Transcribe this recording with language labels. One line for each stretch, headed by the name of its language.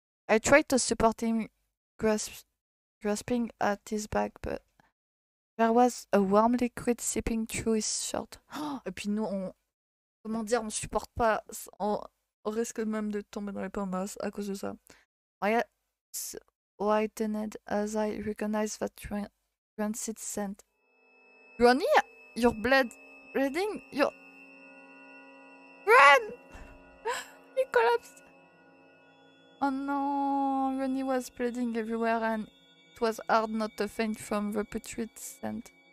English: I tried to support him, grasping at his back, but there was a warm liquid seeping through his shirt.
French: Et puis nous, on supporte pas, on risque même de tomber dans les pommes à cause de ça.
English: My eyes whitened as I recognized that rancid scent. Ronnie, you're bleeding, you're... Run! He collapsed. Oh no, Ronnie was bleeding everywhere and it was hard not to faint from the putrid scent.